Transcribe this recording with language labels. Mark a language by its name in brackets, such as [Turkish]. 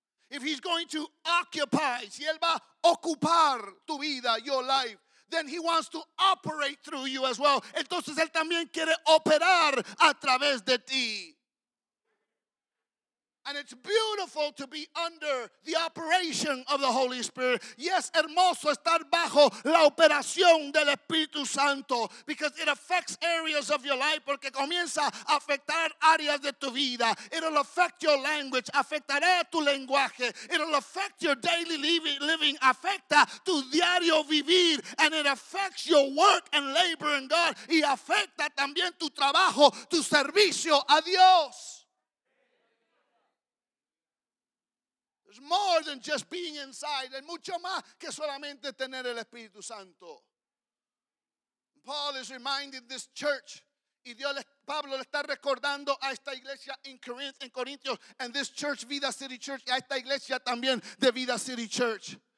[English] If he's going to occupy, [Spanish] si él va a ocupar tu vida, [English] your life, then he wants to operate through you as well. [Spanish] Entonces él también quiere operar a través de ti. [English] And it's beautiful to be under the operation of the Holy Spirit. [Spanish] Y es hermoso estar bajo la operación del Espíritu Santo, [English] because it affects areas of your life, [Spanish] porque comienza a afectar áreas de tu vida. [English] It'll affect your language, [Spanish] afectará tu lenguaje. [English] It'll affect your daily living, [Spanish] afecta tu diario vivir. [English] And it affects your work and labor in God. [Spanish] Y afecta también tu trabajo, tu servicio a Dios. [English] There's more than just being inside. [Spanish] Es mucho más que solamente tener el Espíritu Santo. [English] Paul is reminding this church. [Spanish] Y Dios, Pablo le está recordando a esta iglesia [English] in Corinth, [Spanish] en Corintios, [English] and this church, [Spanish] Vida City Church, y a esta iglesia también de Vida City Church.